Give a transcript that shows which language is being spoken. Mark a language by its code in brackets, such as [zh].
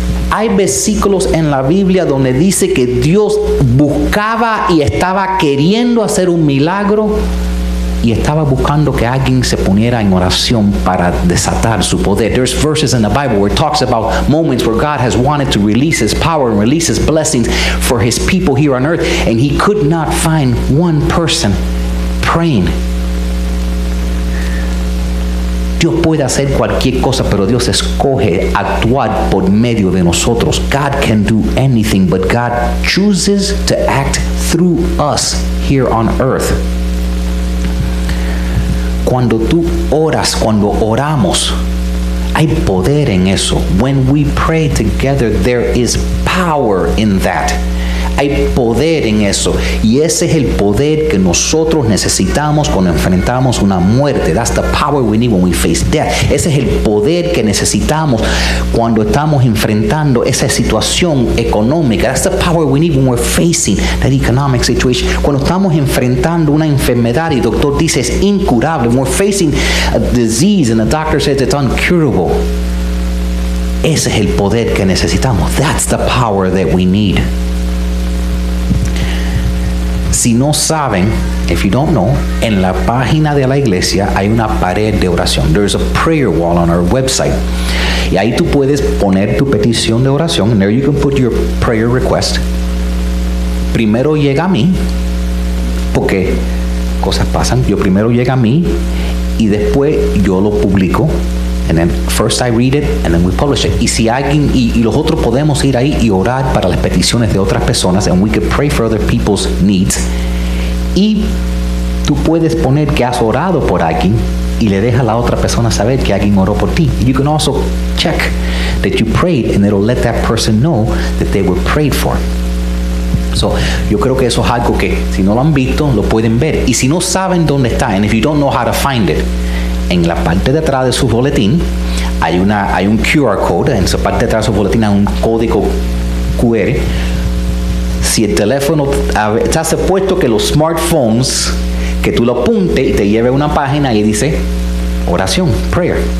[es] Hay versículos en la Biblia donde dice que Dios buscaba y estaba queriendo hacer un milagro. Y estaba buscando que alguien se poniera en oración para desatar su poder. [en] There's verses in the Bible where it talks about moments where God has wanted to release his power and release his blessings for his people here on earth. And he could not find one person praying. [es] Dios puede hacer cualquier cosa, pero Dios escoge actuar por medio de nosotros. [en] God can do anything, but God chooses to act through us here on earth. [es] Cuando tú oras, cuando oramos, hay poder en eso. [en] When we pray together, there is power in that. [es] Hay poder en eso. Y ese es el poder que nosotros necesitamos cuando enfrentamos una muerte. [en] That's the power we need when we face death. [es] Ese es el poder que necesitamos cuando estamos enfrentando esa situación económica. [en] That's the power we need when we're facing that economic situation. [es] Cuando estamos enfrentando una enfermedad y el doctor dice es incurable. [en] When we're facing a disease and the doctor says it's incurable. [es] Ese es el poder que necesitamos. [en] That's the power that we need. [es] Si no saben, [en] if you don't know, [es] en la página de la iglesia hay una pared de oración. [en] There is a prayer wall on our website. [es] Y ahí tú puedes poner tu petición de oración. [en] And there you can put your prayer request. [es] Primero llega a mí, porque cosas pasan. Yo primero llega a mí, y después yo lo publico. [en] And then first I read it, and then we publish it. [es] Y si alguien, y los otros podemos ir ahí y orar para las peticiones de otras personas, [en] and we could pray for other people's needs. [es] Y tú puedes poner que has orado por alguien, y le deja a la otra persona saber que alguien oró por ti. [en] You can also check that you prayed, and it'll let that person know that they were prayed for. [es] So, yo creo que eso es algo que, si no lo han visto, lo pueden ver. Y si no saben dónde está, [en] and if you don't know how to find it, [es] en la parte de atrás de su boletín hay un QR code. En su parte de atrás de su boletín hay un código QR. Si el teléfono está supuesto que los smartphones, que tú lo apuntes y te lleve a una página y dice oración, prayer.